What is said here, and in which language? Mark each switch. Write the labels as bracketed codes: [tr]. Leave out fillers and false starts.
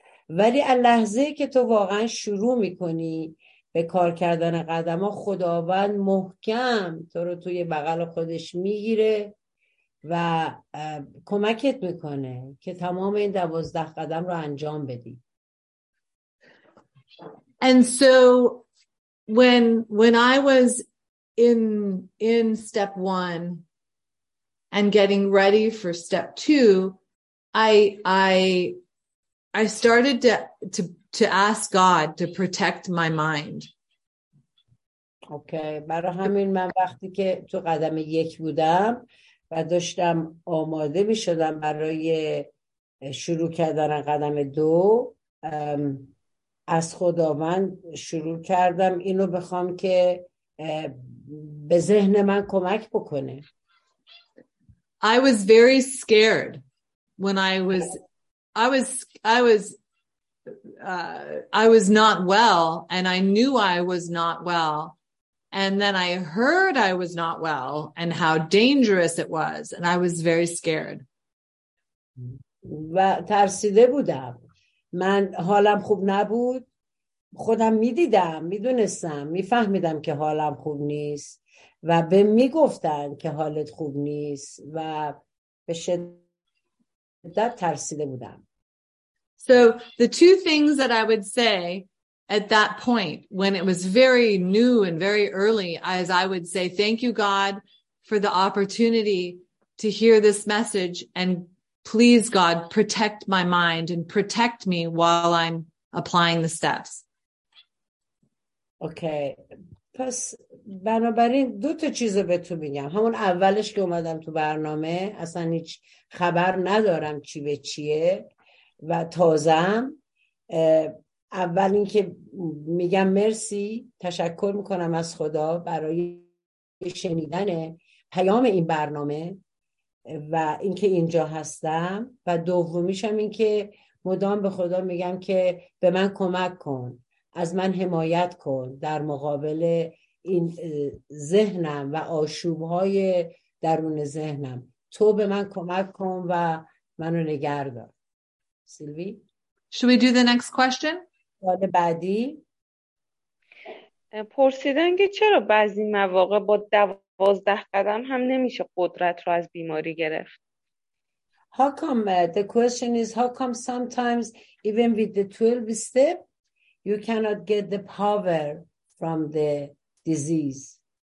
[fa] ولی اللحظه که تو واقعا شروع میکنی به کار کردن قدم ها، خداوند محکم تو رو توی بغل خودش میگیره و کمکت میکنه که تمام این 12 قدم رو انجام بدی. [en] And so when I was in step one and getting ready for step two, I started to ask God to protect my mind. Okay. [fa] برای همین من وقتی که تو قدم یک بودم و داشتم آماده می شدم برای شروع کردن قدم دو، از خداوند شروع کردم اینو بخوام که به ذهن من کمک بکنه. [en] I was very scared when I was not well, and I knew I was not well. And then I heard I was not well and how dangerous it was, and I was very scared. [fa] و ترسیده بودم. من حالم خوب نبود. خودم میدیدم، میدونستم، میفهمیدم که حالم خوب نیست و به میگفتن که حالت خوب نیست و به شدت ترسیده بودم. [en] So the two things that I would say at that point, when it was very new and very early, as I would say, thank you, God, for the opportunity to hear this message. And please, God, protect my mind and protect me while I'm applying the steps. Okay. [fa] پس بنابراین دو تا چیز رو به تو میگم. همون اولش که اومدم تو برنامه اصلا هیچ خبر ندارم چی به چیه و تازم. اول این که میگم مرسی، تشکر میکنم از خدا برای شنیدن پیام این برنامه و اینکه اینجا هستم، و دومیشم این که مدام به خدا میگم که به من کمک کن، از من حمایت کن در مقابل این ذهنم و آشوبهای درون ذهنم، تو به من کمک کن و منو نگهدار. سیلوی، [en] should we do the next question؟ [fa] سوال بعدی پرسیدن که چرا بعضی مواقع با 12 قدم هم نمیشه قدرت رو از بیماری گرفت. [en] How come the question is, how come sometimes even with the 12 step you cannot get the power from the disease?